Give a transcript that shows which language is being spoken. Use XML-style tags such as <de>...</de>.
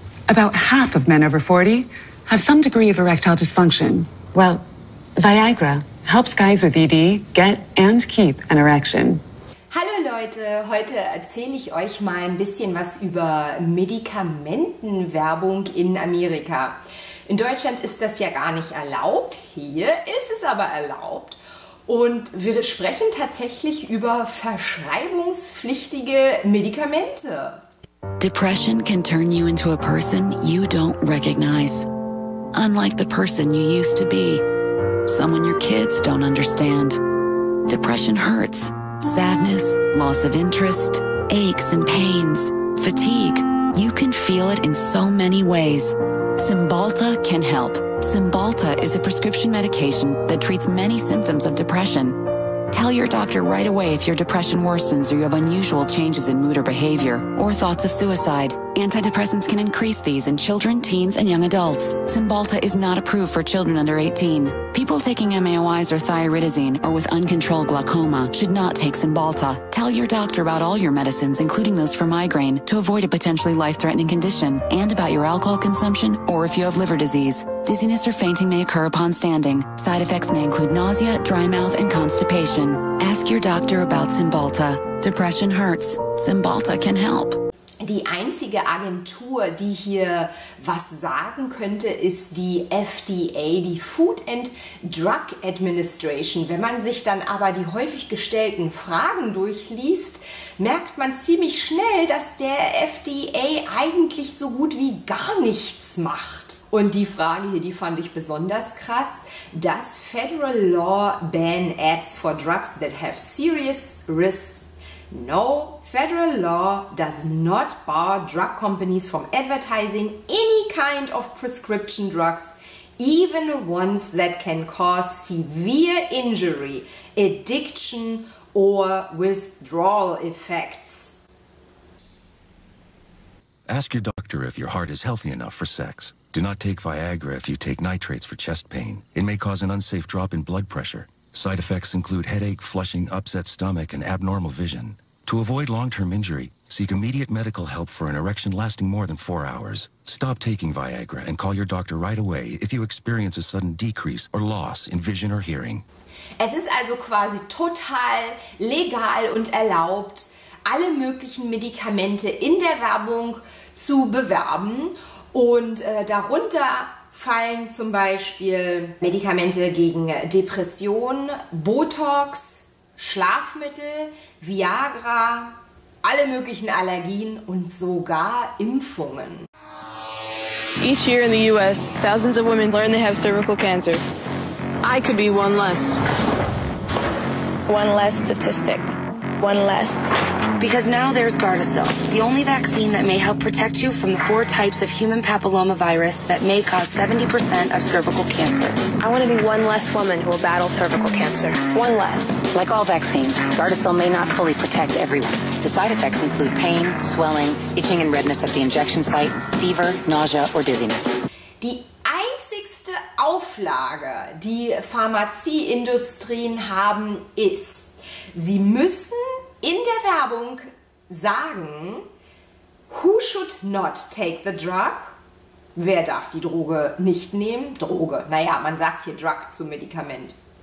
<en>About half of men over 40 have some degree of erectile dysfunction. Well, Viagra helps guys with ED get and keep an erection.</en> <de>Hallo Leute, heute erzähle ich euch mal ein bisschen was über Medikamentenwerbung in Amerika. In Deutschland ist das ja gar nicht erlaubt, hier ist es aber erlaubt. Und wir sprechen tatsächlich über verschreibungspflichtige Medikamente.</de> <en>Depression can turn you into a person you don't recognize. Unlike the person you used to be. Someone your kids don't understand. Depression hurts. Sadness, loss of interest, aches and pains, fatigue. You can feel it in so many ways. Cymbalta can help. Cymbalta is a prescription medication that treats many symptoms of depression. Tell your doctor right away if your depression worsens or you have unusual changes in mood or behavior or thoughts of suicide. Antidepressants can increase these in children, teens, and young adults. Cymbalta is not approved for children under 18. People taking MAOIs or thioridazine or with uncontrolled glaucoma should not take Cymbalta. Tell your doctor about all your medicines, including those for migraine, to avoid a potentially life-threatening condition, and about your alcohol consumption or if you have liver disease. Dizziness or fainting may occur upon standing. Side effects may include nausea, dry mouth, and constipation. Ask your doctor about Cymbalta. Depression hurts. Cymbalta can help.</en> <de>Die einzige Agentur, die hier was sagen könnte, ist die FDA, die Food and Drug Administration. Wenn man sich dann aber die häufig gestellten Fragen durchliest, merkt man ziemlich schnell, dass der FDA eigentlich so gut wie gar nichts macht. Und die Frage hier, die fand ich besonders krass.</de> <en>Does federal law ban ads for drugs that have serious risks? No, federal law does not bar drug companies from advertising any kind of prescription drugs, even ones that can cause severe injury, addiction or withdrawal effects. Ask your doctor if your heart is healthy enough for sex. Do not take Viagra if you take nitrates for chest pain. It may cause an unsafe drop in blood pressure. Side effects include headache, flushing, upset stomach and abnormal vision. To avoid long-term injury, seek immediate medical help for an erection lasting more than 4 hours. Stop taking Viagra and call your doctor right away if you experience a sudden decrease or loss in vision or hearing.</en> <de>Es ist also quasi total legal und erlaubt, alle möglichen Medikamente in der Werbung zu bewerben. Und darunter fallen zum Beispiel Medikamente gegen Depression, Botox, Schlafmittel, Viagra, alle möglichen Allergien und sogar Impfungen.</de> <en>Each year in the US, thousands of women learn they have cervical cancer. I could be one less. One less statistic. One less. Because now there's Gardasil, the only vaccine that may help protect you from the four types of human papillomavirus that may cause 70% of cervical cancer. I want to be one less woman who will battle cervical cancer. One less. Like all vaccines, Gardasil may not fully protect everyone. The side effects include pain, swelling, itching and redness at the injection site, fever, nausea or dizziness.</en> <de>Die einzigste Auflage, die Pharmazieindustrien haben, ist, sie müssen in der Werbung sagen,</de> <en>who should not take the drug?</en> <de>Wer darf die Droge nicht nehmen? Droge, naja, man sagt hier Drug zum Medikament.</de>